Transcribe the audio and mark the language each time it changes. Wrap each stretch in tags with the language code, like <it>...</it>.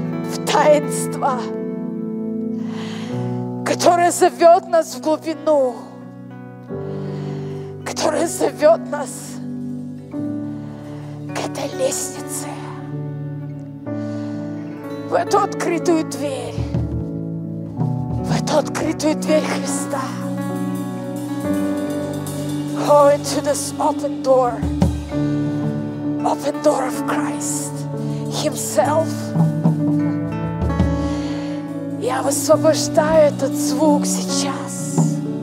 <ru>В таинство, которое зовет нас в глубину, которое зовет нас к этой лестнице, в эту открытую дверь, в эту открытую дверь Христа.</ru> <en>Oh, into this open door of Christ Himself.</en> <ru>Я высвобождаю этот звук сейчас.</ru>